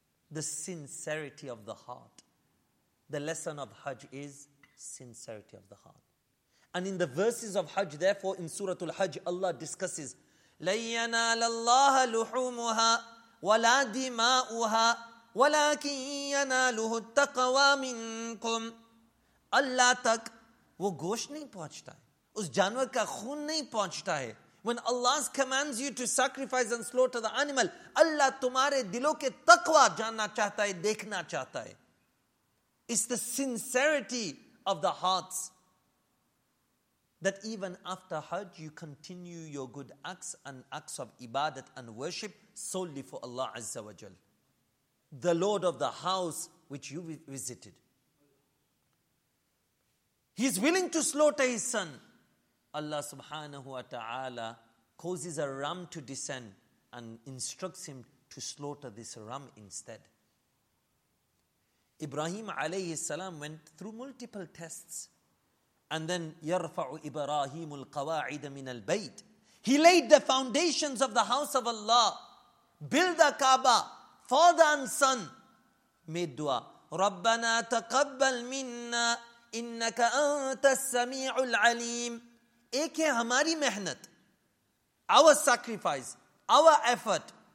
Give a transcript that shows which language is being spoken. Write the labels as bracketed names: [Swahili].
[English] The sincerity of the heart. The lesson of Hajj is sincerity of the heart. And in the verses of Hajj, therefore, in Surah Al-Hajj, Allah discusses [Arabic] لَيَّنَا لَاللَّهَ لُحُومُهَا وَلَا دِمَاؤُهَا وَلَاكِنْ يَنَالُهُ التَّقَوَى مِنْكُمْ. [Urdu] Allah tak, وہ گوشت نہیں پہنچتا ہے. اس جانور کا خون نہیں پہنچتا ہے. [English] When Allah commands you to sacrifice and slaughter the animal, Allah [Urdu] تمہارے دلوں کے تقوی جاننا چاہتا ہے, [English] دیکھنا چاہتا ہے. It's the sincerity of the hearts. That even after Hajj, you continue your good acts and acts of ibadat and worship solely for Allah Azza wa Jal, the Lord of the house which you visited. He is willing to slaughter his son. Allah subhanahu wa ta'ala causes a ram to descend and instructs him to slaughter this ram instead. Ibrahim alayhi salam went through multiple tests. And then [Arabic] يَرْفَعُ إِبْرَاهِيمُ الْقَوَاعِدَ مِنَ الْبَيْتِ. [English] He laid the foundations of the house of Allah. Build the Kaaba. Father and son made dua. [Arabic] رَبَّنَا تَقَبَّلْ مِنَّا إِنَّكَ أَنْتَ السَّمِيعُ الْعَلِيمُ. [Urdu] ایک ہے ہماری محنت. [English] Our sacrifice. Our effort.